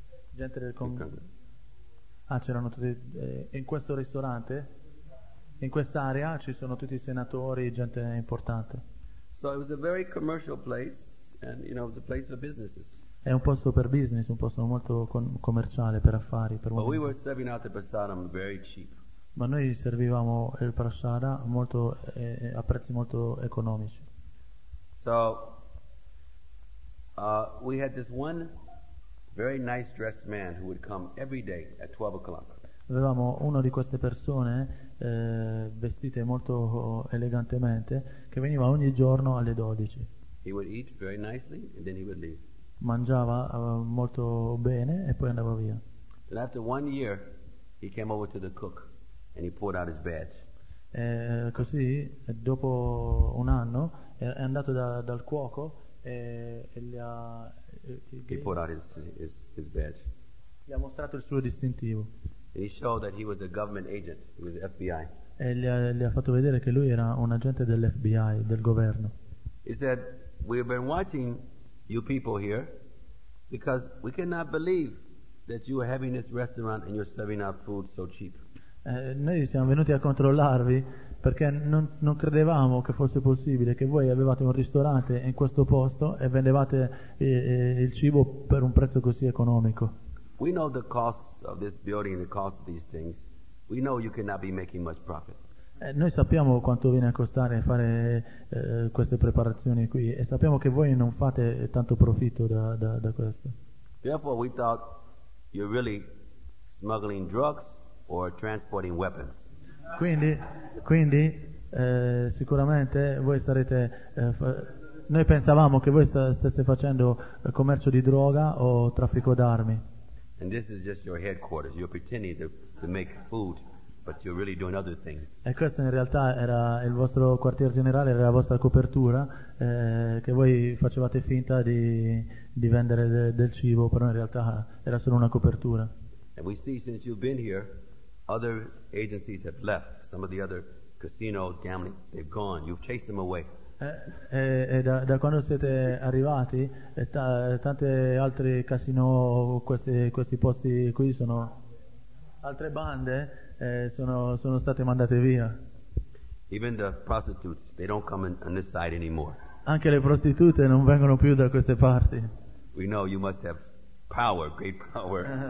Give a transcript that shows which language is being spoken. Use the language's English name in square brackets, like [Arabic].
[Italian] Gente del congresso. Ah, c'erano tutti in questo ristorante. In quest'area ci sono tutti i senatori, gente importante. [English] So it was a very commercial place, and you know, it was a place for businesses. [Italian] È un posto per business, un posto molto commerciale, per affari, per. [English] But we were serving out the prasadam very cheap. [Italian] Ma noi servivamo il prasada molto a prezzi molto economici. [English] So we had this one very nice dressed man who would come every day at 12 o'clock. [Italian] Avevamo una di queste persone vestite molto elegantemente che veniva ogni giorno alle 12. [English] He would eat very nicely and then he would leave. [Italian] Mangiava molto bene e poi andava via. [English] Then after one year he came over to the cook and he pulled out his badge. [Italian] Così dopo un anno è andato dal cuoco e gli ha [English] he pulled out his badge. [Italian] Gli ha mostrato il suo distintivo. [English] And he showed that he was a government agent. He was FBI. [Italian] E gli ha fatto vedere che lui era un agente dell'FBI, del governo. [English] He said, "We've been watching you people here because we cannot believe that you are having this restaurant and you're serving out food so cheap." [Italian] Noi siamo venuti a controllarvi perché non credevamo che fosse possibile che voi avevate un ristorante in questo posto e vendevate il cibo per un prezzo così economico. [English] We know the cost of this building and the cost of these things, we know you cannot be making much profit. [Italian] Noi sappiamo quanto viene a costare fare queste preparazioni qui e sappiamo che voi non fate tanto profitto da questo. [English] Therefore, we thought you're really smuggling drugs or transporting weapons. [Italian] Quindi sicuramente voi starete. Noi pensavamo che voi stesse facendo commercio di droga o traffico d'armi. [English] And this is just your headquarters. You're pretending to make food, but you're really doing other things. [Italian] E questo in realtà era il vostro quartier generale, era la vostra copertura, che voi facevate finta di vendere del cibo, però in realtà era solo una copertura. [English] And we see since you've been here, other agencies have left. Some of the other casinos, gambling, they've gone. You've chased them away. [Italian] Da quando siete arrivati tante altri casino, questi posti qui, sono altre bande sono state mandate via. [English] Even the prostitutes, they don't come on this side anymore. [Italian] Anche le prostitute non vengono più da queste parti. [English] We know you must have power, great power.